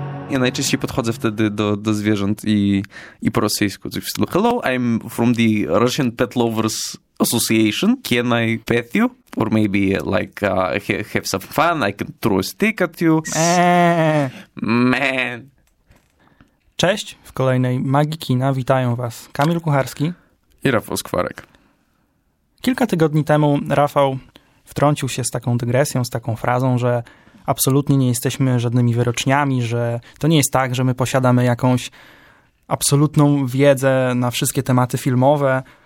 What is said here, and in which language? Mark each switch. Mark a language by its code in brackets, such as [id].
[pl] Ja najczęściej podchodzę wtedy do zwierząt i po rosyjsku. [en] Hello, I'm from the Russian Pet Lovers Association. Can I pet you? Or maybe like have some fun? I can throw a stick at you. Man. [pl] Cześć, w kolejnej Magii Kina witają was Kamil Kucharski i Rafał Skwarek. Kilka tygodni temu Rafał wtrącił się z taką dygresją, z taką frazą, że absolutnie nie jesteśmy żadnymi wyroczniami, że to nie jest tak, że my posiadamy jakąś absolutną wiedzę na wszystkie tematy filmowe.